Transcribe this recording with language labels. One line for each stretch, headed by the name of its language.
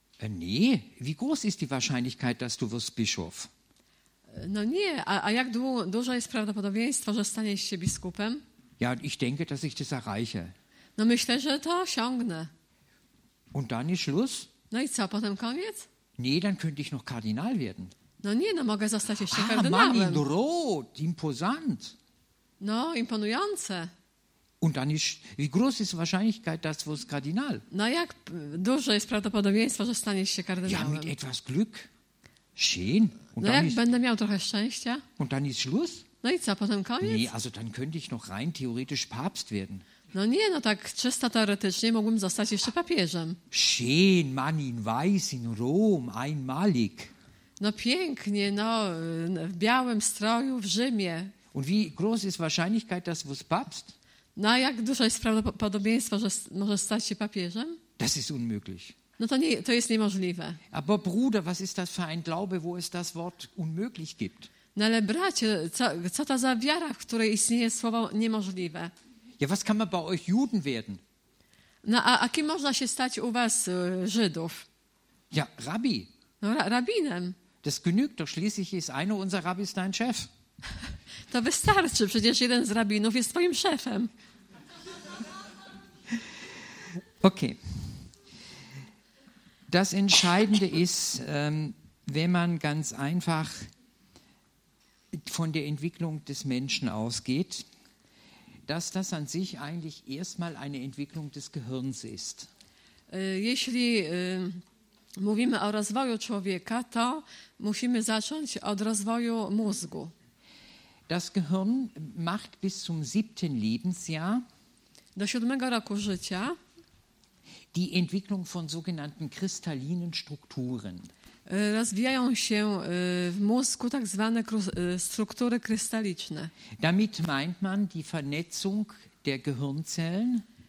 German: Nee, wie groß ist die Wahrscheinlichkeit, dass du wirst Bischof?
Polish: No nie, a jak duże jest prawdopodobieństwo, że staniesz się biskupem?
German: Ja, ich denke, dass ich das erreiche.
Polish: No myślę, że to osiągnę.
German: Und dann ist Schluss?
Polish: No i co, potem koniec?
German: Nee, dann könnte ich noch Kardinal werden.
Polish: No nie, no mogę zostać jeszcze kardynałem.
German: Mann in Rot, imposant.
Polish: No, imponujące.
German: Und dann ist, wie groß ist die Wahrscheinlichkeit, dass du Kardinal?
Polish: No jak duże jest prawdopodobieństwo, że staniesz się kardynałem?
German: Ja, mit etwas Glück. Schön.
Polish: Und no jak ist, będę miał trochę szczęścia?
German: Und dann ist Schluss?
Polish: No i co, potem koniec?
German: Nee, also dann könnte ich noch rein theoretisch Papst werden.
Polish: No nie, no tak czysto teoretycznie mogłem zostać jeszcze papieżem.
German: Schön, Mann in Weiß in Rom, einmalig.
Polish: No pięknie, no w białym stroju w Rzymie.
German: Und wie groß ist Wahrscheinlichkeit, dass du Papst?
Polish: No jak duże jest prawdopodobieństwo, że możesz stać się papieżem?
German: Das ist unmöglich.
Polish: No to nie, to jest niemożliwe.
German: Aber Bruder, was ist das für ein Glaube, wo es das Wort unmöglich gibt?
Polish: No ale bracie, co to za wiara, w której istnieje słowo niemożliwe?
German: Ja, was kann man bei euch Juden werden?
Polish: No, a kim można się stać u was Żydów?
German: Ja, Rabbi.
Polish: No, rabinem.
German: Das genügt doch, schließlich ist einer unserer Rabbis dein Chef.
Polish: To wystarczy, przecież jeden z rabinów jest twoim szefem. Okay.
German: Das Entscheidende ist, wenn man ganz einfach von der Entwicklung des Menschen ausgeht, dass das an sich eigentlich erstmal eine Entwicklung des Gehirns ist.
Polish: Jeśli mówimy o rozwoju człowieka, to musimy zacząć od rozwoju mózgu.
German: Das Gehirn macht bis zum 7. Lebensjahr
Polish: do 7. roku życia
German: die Entwicklung von sogenannten kristallinen Strukturen.
Polish: rozwijają się w mózgu tak zwane struktury krystaliczne.
German: Damit meint man die Vernetzung der Gehirnzellen.